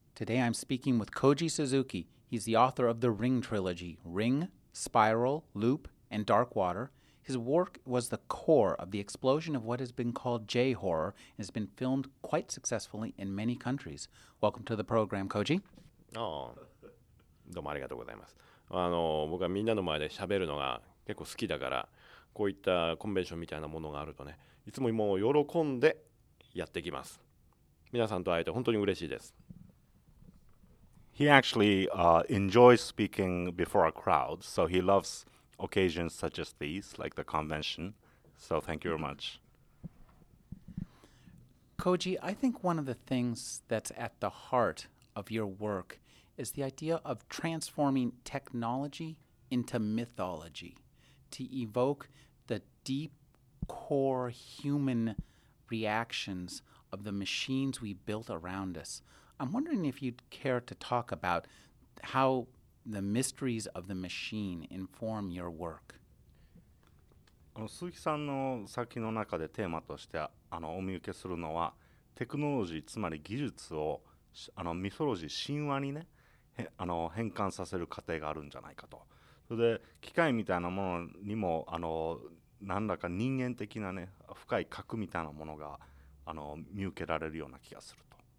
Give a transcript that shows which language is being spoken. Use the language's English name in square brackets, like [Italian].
[English] Today I'm speaking with Koji Suzuki. He's the author of the Ring trilogy, Ring, Spiral, Loop, and Dark Water. His work was the core of the explosion of what has been called J-horror and has been filmed quite successfully in many countries. Welcome to the program, Koji. [Japanese] Oh, domarigato gozaimasu. あの僕はみんなの前で喋るのが結構好きだからこういったコンベンションみたいなものがあるとねいつももう喜んでやってきます皆さんと会えて本当に嬉しいです [English] He actually enjoys speaking before a crowd so he loves occasions such as these like the convention so thank you very much Koji, I think one of the things that's at the heart of your workis the idea of transforming technology into mythology to evoke the deep core human reactions of the machines we built around us. I'm wondering if you'd care to talk about how the mysteries of the machine inform your work. [Japanese] この鈴木さんの作品の中でテーマとしてあのお見受けするのはテクノロジー、つまり技術をあのミソロジー、神話にねあの変換させる過程があるんじゃないかとそれで機械みたいなものにもあの何らか人間的なね深い核みたいなものがあの見受けられるような気がすると